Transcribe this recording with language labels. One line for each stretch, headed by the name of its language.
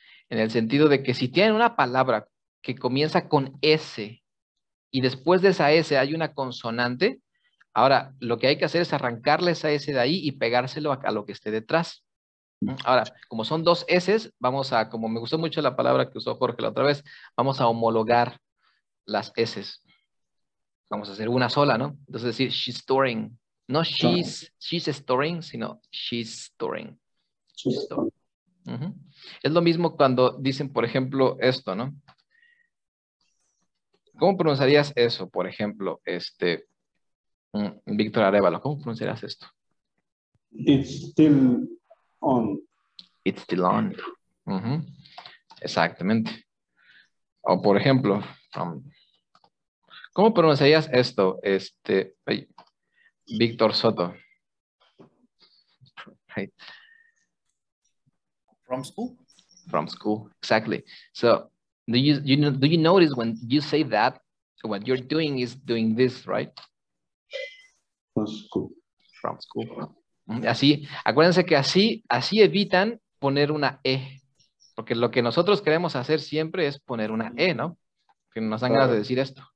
Spanish: En el sentido de que si tienen una palabra que comienza con S y después de esa S hay una consonante, ahora lo que hay que hacer es arrancarle esa S de ahí y pegárselo a lo que esté detrás. Ahora, como son dos S, vamos a, como me gustó mucho la palabra que usó Jorge la otra vez, vamos a homologar las S. Vamos a hacer una sola, ¿no? Entonces decir,
English: she's storing. No she's, she's storing, sino she's storing. She's storing. Uh-huh.
Spanish: Es lo mismo cuando dicen, por ejemplo, esto, ¿no? ¿Cómo pronunciarías eso? Por ejemplo, este, Víctor Arevalo, ¿cómo pronunciarías esto?
English: It's still on. It's still on. Uh-huh.
Spanish: Exactamente. O por ejemplo, ¿cómo pronunciarías esto, este, hey, Víctor Soto?
English: Hey. From school. From school, exactly. So, do you notice when you say that, what you're doing is doing this, right? From school. From school.
Spanish: Así, acuérdense que así, así evitan poner una E. Porque lo que nosotros queremos hacer siempre es poner una E, ¿no? Que nos dan ganas de decir esto.